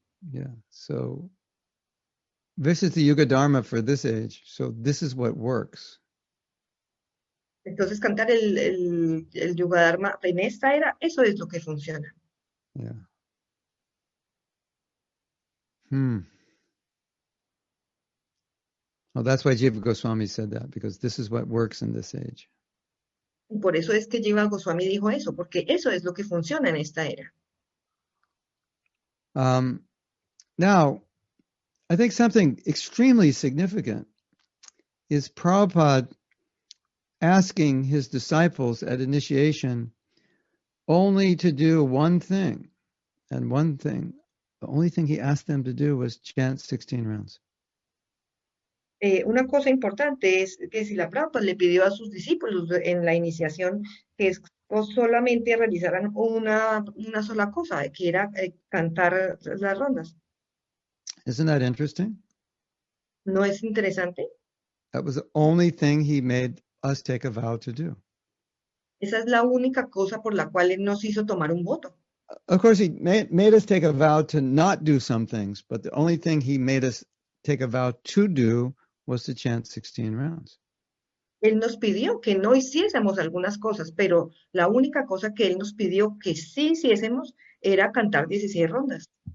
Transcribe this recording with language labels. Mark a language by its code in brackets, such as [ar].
[en] Yeah, so this is the Yuga Dharma for this age, so this is what works. [es] Entonces cantar el Yuga Dharma en esta era, eso es lo que funciona. [en] Yeah. Well, that's why Jiva Goswami said that, because this is what works in this age. [es] Por eso es que Jiva Goswami dijo eso, porque eso es lo que funciona en esta era. [en] Now, I think something extremely significant is Prabhupada asking his disciples at initiation only to do one thing, and one thing, the only thing he asked them to do was chant 16 rounds. [es] Una cosa importante es que si la Prabhupada le pidió a sus discípulos en la iniciación que solamente realizaran una sola cosa, que era cantar las rondas. [en] Isn't that interesting? [es] ¿No es interesante? [en] That was the only thing he made us take a vow to do. [es] Esa es la única cosa por la cual él nos hizo tomar un voto. [en] Of course, he made us take a vow to not do some things, but the only thing he made us take a vow to do was to chant 16 rounds. [es] Él nos pidió que no hiciésemos algunas cosas, pero la única cosa que él nos pidió que sí hiciésemos era cantar 16 rondas.